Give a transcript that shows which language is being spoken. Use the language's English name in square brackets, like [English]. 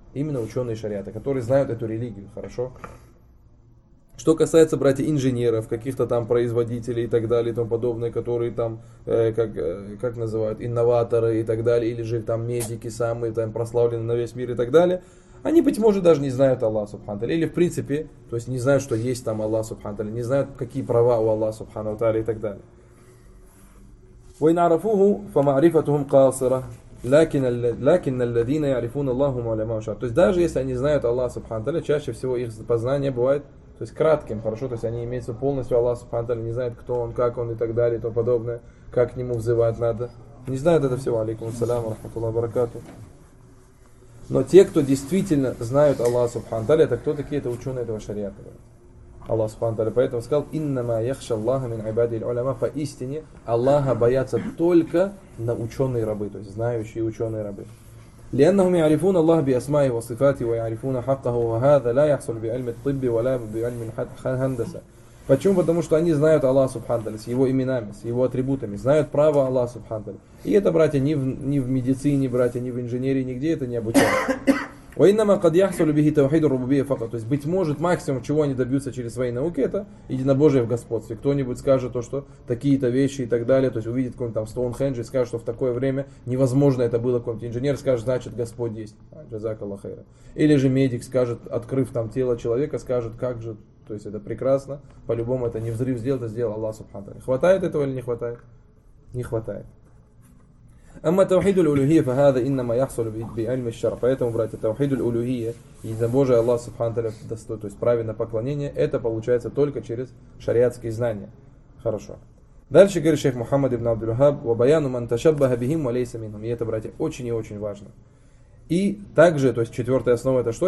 [Russian] Именно ученые шариата, которые знают эту религию, хорошо? Что касается, братья, инженеров, каких-то там производителей и так далее и тому подобное, которые там, как называют, инноваторы и так далее, или же там медики самые там прославленные на весь мир и так далее, они, быть может, даже не знают Аллаха Субхану Таля, или в принципе, то есть не знают, что есть там Аллах Субхану Таля, не знают, какие права у Аллаха Субхану Таля и так далее. [Arabic] وإن عرفوه فمعرفتهم قاصرة. لكن الذين يعرفون الله هم علماء شرع. [Russian] То есть даже если они знают Аллаха Субхану Таля, чаще всего их познание бывает, то есть кратким, хорошо, то есть они имеются полностью Аллаха Субхану Таля, не знают, кто он, как он и так далее, и тому подобное, как к нему взывать надо. Не знают это всего. [Arabic] Алейкум ассалям, рахматуллах, баракату. [Russian] Но те, кто действительно знают Аллаха Субхану Таля, это кто такие? Это ученые этого шариата. Аллах Субхану Таля поэтому сказал: [Arabic] «Иннама яхша Аллаха мин айбади аль-уляма». [Russian] Поистине Аллаха боятся только на ученые рабы, то есть знающие ученые рабы. [Arabic] لأنهم يعرفون الله بأسماء وصفاته ويعرفون حقه وهذا لا يحصل بعلم الطب ولا بعلم الهندسة. [Russian] Почему? Потому что они знают Аллаха Субхану Таля с его именами, с его атрибутами, знают право Аллаха Субхану Таля. И это, братья, ни в медицине, братья, ни в инженерии, нигде это не обучают. [Arabic] وإنما قد يحصل به توحيد الربوبية فقط. [Russian] То есть быть может максимум, чего они добьются через свои науки, это единобожие в господстве. Кто-нибудь скажет то, что такие-то вещи и так далее, то есть увидит какой-нибудь там Стоунхендж и скажет, что в такое время невозможно это было, какой-нибудь инженер скажет, значит Господь есть. Джазакаллах хайра. Или же медик скажет, открыв там тело человека, скажет, как же, то есть это прекрасно. По-любому это не взрыв сделал, это сделал Аллах Субхану Тааля. Хватает этого или не хватает? Не хватает. [Arabic] أما توحيد الألوهية فهذا إنما يحصل بعلم الشرع. [Russian] Поэтому, братья, توحيد الألوهية, единобожие Аллаха Субхану Таля достоин, то есть правильное поклонение, это получается только через шариатские знания. Хорошо. Дальше говорит шейх Мухаммад ибн Абдул-Вахаб: [Arabic] وَبَيَانُ مَنْ تَشَبَّهَ بِهِمْ وَلَيْسَ مِنْهُمْ. [Russian] И это, братья, очень и очень важно. И также, то есть четвертая основа, это что?